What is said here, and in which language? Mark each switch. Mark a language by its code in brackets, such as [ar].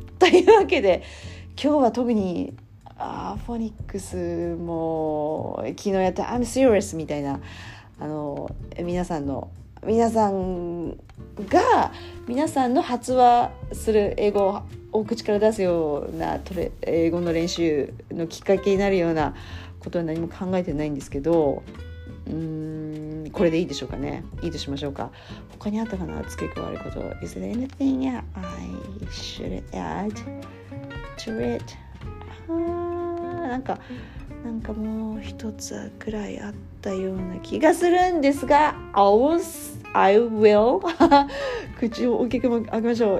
[ja] というわけで今日は特にフォニックスも昨日やった [en] I'm serious [ja] みたいな、皆さんの発話する英語を口から出すような英語の練習のきっかけになるようなことは何も考えてないんですけど、これでいいでしょうかね。いいとしましょうか。他にあったかな、付け加えること。 [en] Is there anything I should add to it? [ja] なんかもう一つくらいあったような気がするんですが、 [en] I will [ja] 口を大きく開けましょう。